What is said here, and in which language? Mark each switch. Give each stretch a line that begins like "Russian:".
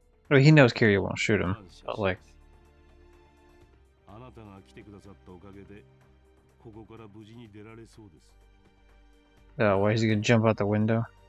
English: I mean, he knows Kiryu won't shoot him, but like.
Japanese: あなたが来てくださったおかげで、ここから無事に出られそうです。
English: Oh, why is he gonna jump out the window?